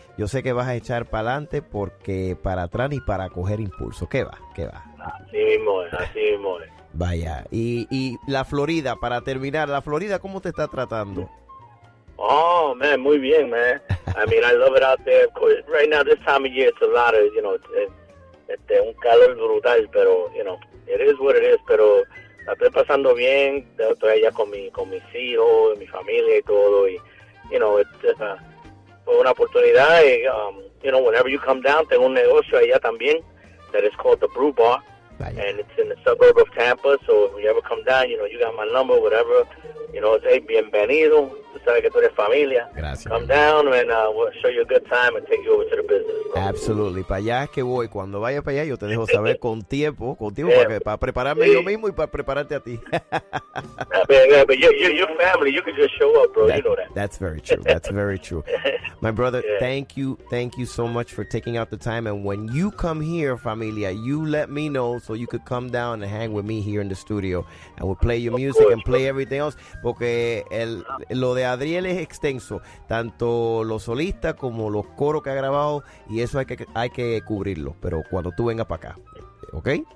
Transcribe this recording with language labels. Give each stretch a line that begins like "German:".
Spanish: Yo sé que vas a echar para adelante porque para atrás ni para coger impulso. ¿Qué va? ¿Qué va? Así mismo es, así mismo es. Vaya. Y la Florida, para terminar, ¿la Florida cómo te está tratando?
English: Oh, man,
Spanish: muy bien,
English: man. I mean, I love it out there. Of course, right now, this time of year, it's a lot of, you know, it's
Spanish: un calor brutal, pero,
English: you know, it is what it is.
Spanish: Pero la estoy pasando bien, estoy allá con mis hijos, mi familia y todo. Y, you know, fue una oportunidad.
English: Y, you know, whenever you come down,
Spanish: tengo un negocio allá también
English: that is called the Brew Bar.
Spanish: Vaya.
English: And it's in the suburb of Tampa, so if you ever come down, you know, you got my number, whatever. You know, say bienvenido.
Spanish: Gracias.
English: Come down and we'll show you a good time and take you over to the business.
Spanish: Absolutely. Para allá es que voy. Cuando vaya para allá, yo te dejo saber con tiempo, yeah. para prepararme sí. Yo mismo y para prepararte a ti.
English: but your family, you can just show up, bro. You know that. That's very true. That's very true. My brother, yeah. Thank you. Thank you so much for taking out the time. And when you come here, familia, you let me know so you could come down and hang with me here in the studio. And we'll play your music course, and play bro. Everything else.
Spanish: Porque lo de Adriel es extenso, tanto los solistas como los coros que ha grabado, y eso hay que cubrirlo, pero cuando tú vengas para acá, ¿ok?